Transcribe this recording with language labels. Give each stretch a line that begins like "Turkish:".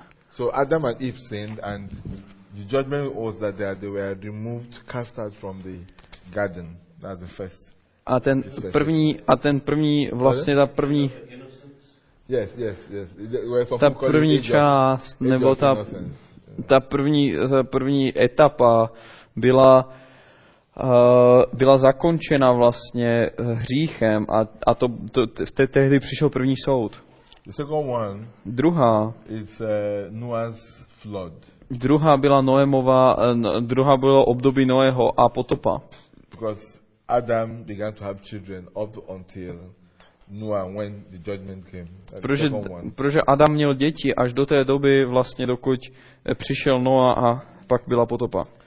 English: So Adam and Eve sinned, and the judgment was that they were removed, cast out from the garden. That's the first.
Czech: A ten první, vlastně ta první.
English: Yes.
Czech: Ta první část, nebo ta první etapa byla byla zakončena vlastně hříchem, a to tehdy přišel první soud.
English: The second one.
Czech: Druhá.
English: Is Noah's flood.
Czech: Druhá byla Noemova, druhá bylo období Noého a potopa.
English: Because Adam began to have children up until Noah, when the judgment came.
Czech: Protože Adam měl děti až do té doby, vlastně dokud přišel Noah a pak byla potopa.